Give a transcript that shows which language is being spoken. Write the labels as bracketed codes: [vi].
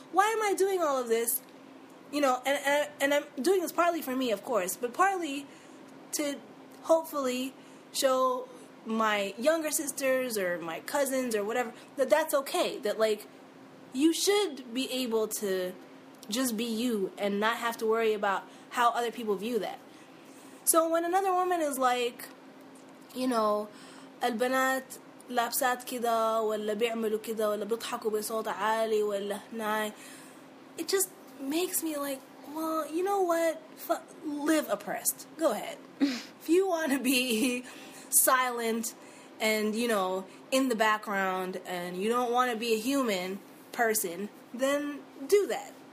[en] Why am I doing all of this? You know, and I'm doing this partly for me, of course, but partly to hopefully show my younger sisters or my cousins or whatever that that's okay. That, like, you should be able to just be you and not have to worry about how other people view that. So when another woman is like, you know, [ar] البنات لابسات كده ولا بيعملوا كده ولا بيضحكوا بصوت عالي ولا هناي. [en] It just makes me like, well, you know what? Live oppressed. Go ahead. If you want to be silent and, you know, in the background and you don't want to be a human person, then do that.